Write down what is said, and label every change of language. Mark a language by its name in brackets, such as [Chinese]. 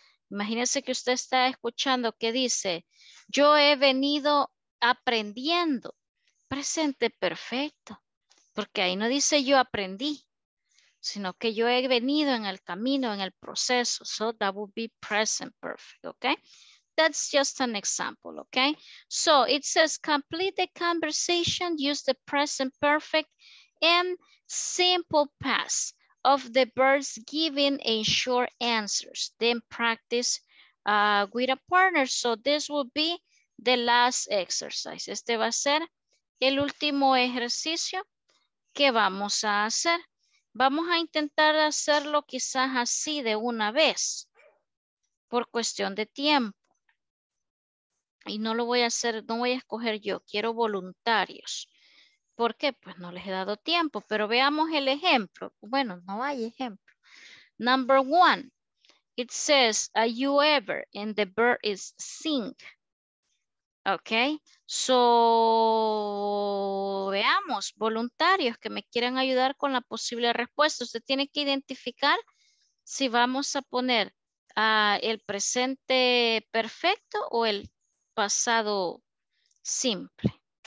[Spanish] Imagínese que usted está escuchando que dice, yo he venido aprendiendo, presente perfecto. Porque ahí no dice yo aprendí, sino que yo he venido en el camino, en el proceso. [English] So that would be present perfect, okay? That's just an example, okay? So it says complete the conversation, use the present perfect and simple past of the birds giving a short answers. Then practice with a partner. So this will be the last exercise. [Spanish] Este va a ser el último ejercicio. ¿Qué vamos a hacer? Vamos a intentar hacerlo quizás así de una vez, por cuestión de tiempo. Y no lo voy a hacer, no voy a escoger yo, quiero voluntarios. ¿Por qué? Pues no les he dado tiempo, pero veamos el ejemplo. Bueno, no hay ejemplo. [English] Number one, it says, are you ever, and the bird is sing. [Spanish] Okay, so veamos, voluntarios que me quieran ayudar con la posible respuesta. Usted tiene que identificar si vamos a poner el presente perfecto o el pasado simple.